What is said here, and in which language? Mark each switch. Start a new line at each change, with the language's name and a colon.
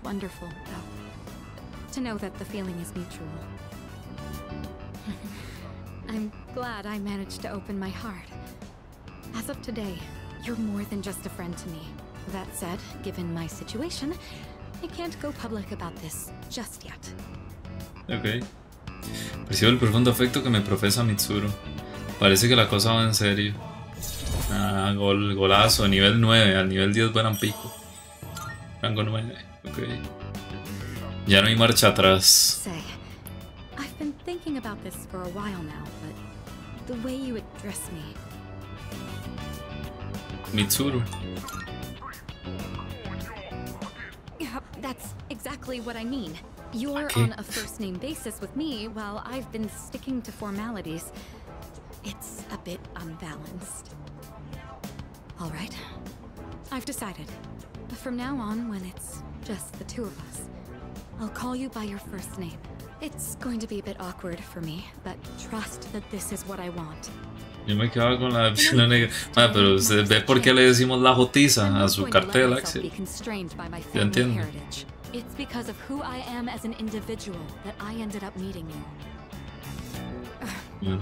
English: wonderful, though, to know that the feeling is mutual. I'm glad I managed to open my heart. As of today, you're more than just a friend to me. That said, given my situation, I can't go public about this just yet. Okay.
Spanish: Percibo el profundo afecto que me profesa Mitsuru. Parece que la cosa va en serio. Ah, gol, golazo, nivel 9. Al nivel 10 van a pico. Rango 9. Okay. Ya no hay marcha atrás.
English: Say, I've been thinking about this for a while now, but the way you address me. Mitsuru. That's exactly what I mean. You're on a first name basis with me while I've been sticking to formalities. It's a bit unbalanced. All right. I've decided. But from now on, when it's just the two of us, I'll call you by your first name. It's going to be a bit awkward for me, but trust that this is what I want.
Spanish: Yo me quedaba con la opción negra. Ah, pero usted ve por qué le decimos la jotiza a su cartel, Axel. Yo entiendo.
English: It's because of who I am as an individual that I ended up meeting you.